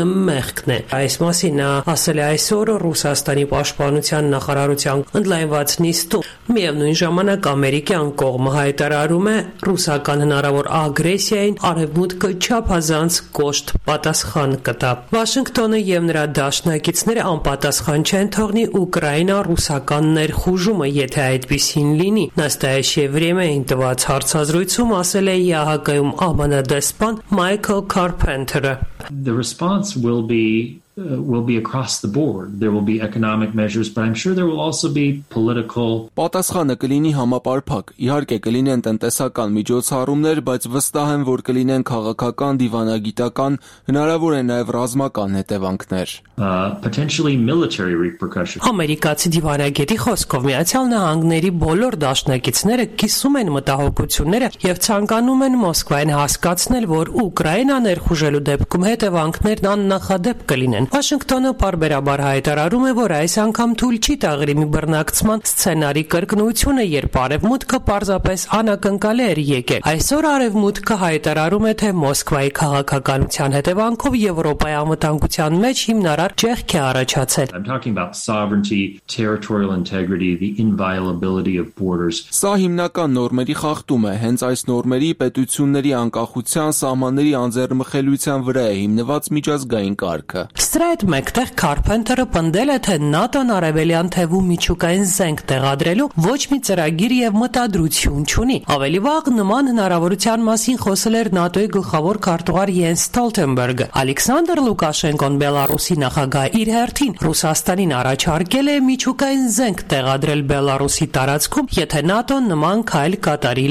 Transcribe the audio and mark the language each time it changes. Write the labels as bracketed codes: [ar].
[hy] մեղքն է։ Այս մասին նա ասել է այսօր Ռուսաստանի պաշտպանության նախարարության ընդլայնված նիստում։ Միևնույն ժամանակ ամերիկյան կողմը հայտարարում է ռուսական հնարավոր ագրեսիային Արևմուտքը չափազանց կոշտ պատասխան կտա։ Վաշինգտոնը եւ նրա դաշնակիցները անպատասխան չեն թողնի Ուկրաինա ռուսական ներխուժումը, եթե այդպիսին լինի։ Նաստայաշե վրեմեին տված հարցազրույցում ասել է ԵԱՀԿ-ում ԱՄՆ դեսպան Մայքլ Կարպենթերը. [en] Will be across the board. There will be economic measures, but I'm sure there will also be political. [hy] Պատասխանը կլինի համապարփակ։ Իհարկե կլինեն տնտեսական միջոցառումներ, բայց վստահ եմ, որ կլինեն քաղաքական, դիվանագիտական, հնարավոր է նաև ռազմական հետևանքներ։ [en] Potentially military repercussions. [hy] Ամերիկացի դիվանագետի խոսքով Միացյալ Նահանգների բոլոր դաշնակիցները կիսում են մտահոգությունները եւ ցանկանում են Մոսկվային հասկացնել, որ Ուկրաինա ներխուժելու դեպքում հետևանքներն աննախադեպ կլինեն։ Վաշինգտոնը պարբերաբար հայտարարում է, որ այս անգամ թույլ չի տաղրի մի բռնակցման սցենարի կրկնությունը, երբ Արևմուտքը պարզապես անակնկալի էր եկել։ Այսօր Արևմուտքը հայտարարում է, թե Մոսկվայի քաղաքականության հետևանքով Եվրոպայի անվտանգության մեջ հիմնարար ճեղք է առաջացել։ [en] I'm talking about sovereignty, territorial integrity, the inviolability of borders. [hy] Սա հիմնական նորմերի խախտում է, հենց այս նորմերի պետությունների անկախության սահմանների անձեռնմխելիության վրա է հիմնված միջազգային կարգը։ Ստրայթ մեկտեղ Կարպենթերը պնդել է, թե ՆԱՏՕ-ն արևելյան թևում միջուկային զենք տեղադրելու ոչ մի ծրագիր և մտադրություն չունի։ Ավելի վաղ նման հնարավորության մասին խոսել էր ՆԱՏՕ-ի գլխավոր քարտուղար Յենս Ստոլտենբերգը։ Ալեքսանդր Լուկաշենկոն Բելարուսի նախագահ իր հերթին Ռուսաստանին առաջարկել է միջուկային զենք տեղադրել Բելարուսի տարածքում, եթե ՆԱՏՕ-ն նման քայլ կատարի